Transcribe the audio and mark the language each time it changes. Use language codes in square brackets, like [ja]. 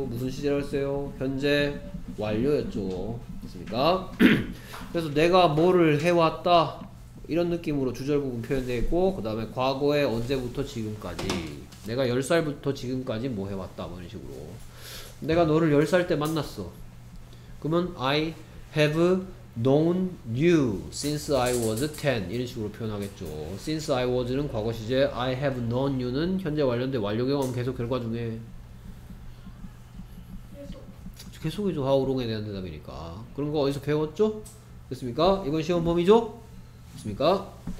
[ko] 무슨 시제라 그랬어요? 현재 완료였죠. 됐습니까? 그래서 내가 뭐를 해왔다 이런 느낌으로 주절 부분 표현되어 있고, 그 다음에 과거에 언제부터 지금까지, 내가 10살부터 지금까지 뭐 해왔다, 뭐 이런 식으로. 내가 너를 10살 때 만났어. 그러면 [en] I have known you since I was 10. [ko] 이런 식으로 표현하겠죠. [en] Since I was [ko] 는 과거 시제, [en] I have known you [ko] 는 현재 완료인데 완료 경험 계속 결과 중에 계속이죠. [en] How long [ko] 에 대한 대답이니까. 그런 거 어디서 배웠죠? 됐습니까? 이건 시험 범위죠? 됐습니까?